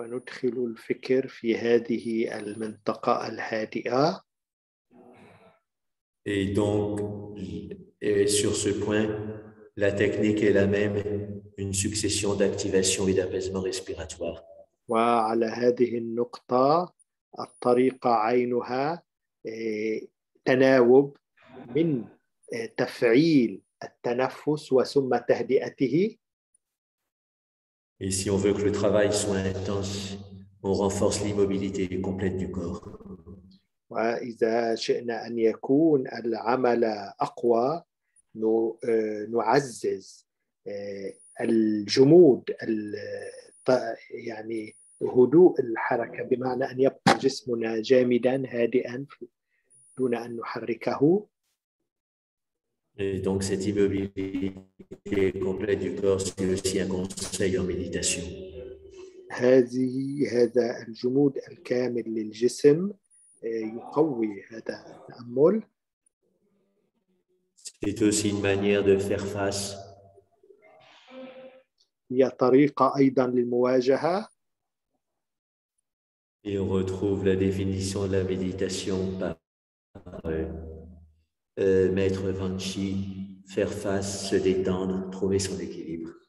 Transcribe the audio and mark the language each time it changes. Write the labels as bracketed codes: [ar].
[ar] وندخل الفكر في هذه المنطقة الهادئة. [fr] Et donc, et sur ce point, la technique est la même, une succession d'activation et d'apaisement respiratoire. [ar] وعلى هذه النقطة الطريقة عينها تناوب من تفعيل التنفس وثم تهدئته. [fr] Et si on veut que le travail soit intense, on renforce l'immobilité complète du corps. [ar] وإذا شئنا أن يكون العمل أقوى نعزز الجمود يعني هدوء الحركة بمعنى أن يبقى جسمنا جامدا هادئا دون أن نحركه. [fr] Et donc cette immobilité complète du corps c'est aussi un conseil en méditation. [ar] هذا الجمود الكامل للجسم يقوي هذا التأمل. [fr] C'est aussi une manière de faire face. [ar] هي طريقة أيضا للمواجهة. [fr] Et on retrouve la définition de la méditation par Maître Vanchi, faire face, se détendre, trouver son équilibre.